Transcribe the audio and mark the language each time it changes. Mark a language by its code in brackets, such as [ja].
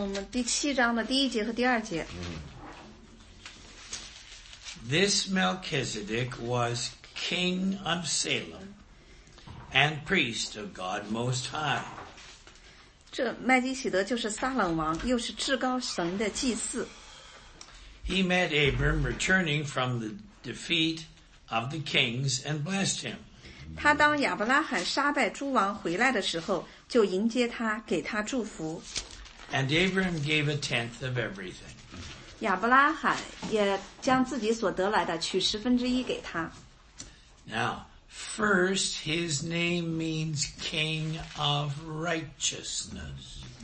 [zh] 第七章的第一节和第二节。 [en] This Melchizedek was king of Salem and priest of God Most High. [zh] 这麦基洗德就是撒冷王，又是至高神的祭司。 [en] He met Abram returning from the defeat of the kings and blessed him. [zh] 他当亚伯拉罕杀败诸王回来的时候就迎接他给他祝福。 [en] And Abram gave a tenth of everything. [zh] 亚伯拉罕也将自己所得来的取十分之一给他。 [en] Now, first, his name means king of righteousness.